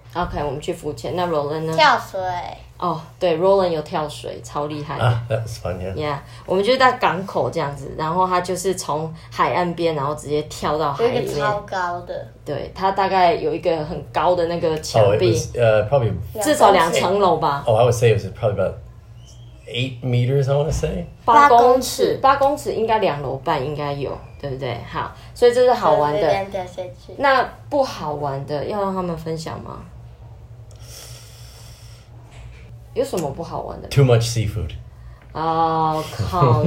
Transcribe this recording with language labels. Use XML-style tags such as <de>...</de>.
<zh>OK， 我们去浮潜。那 Roland 呢？跳水。哦、oh, ，对 ，Roland 有跳水，超厉害的。</zh> <en>That's fun, yeah.</en> <zh>Yeah， 我们就在港口这样子，然后他就是从海岸边，然后直接跳到海里面。有一个超高的。对，他大概有一个很高的那个墙壁。</zh> <en>Probably</en> <zh>至少两层楼吧。</zh> <en>Oh, I would say it was probably about 8 meters. I want to say</en> <zh>8公尺，八公尺应该两楼半应该有，对不对？好，所以这是好玩的。那不好玩的要让他们分享吗？有什么不好玩的</zh> <en>？Too much seafood. Oh, come on.</en>